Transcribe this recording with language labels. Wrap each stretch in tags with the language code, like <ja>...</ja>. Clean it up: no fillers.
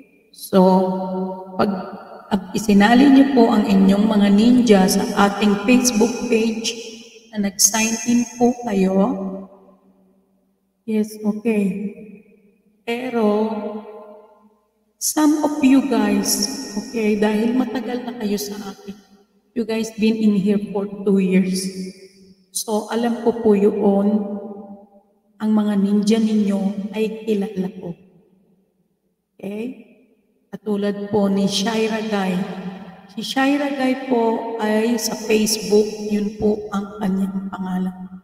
<tl>So, pag isinali niyo po ang inyong mga ninja sa ating Facebook page na nag-sign in po kayo, yes, okay.</tl> <en>Pero, some of you guys, okay,</en> <tl>dahil matagal na kayo sa akin,</tl> <en>you guys been in here for 2 years.</en> <tl>So, alam ko po yun, ang mga ninja ninyo ay kilala ko. Okay? Katulad po ni Shaira Guy. Si Shaira Guy po ay sa Facebook, yun po ang kanyang pangalan.</tl>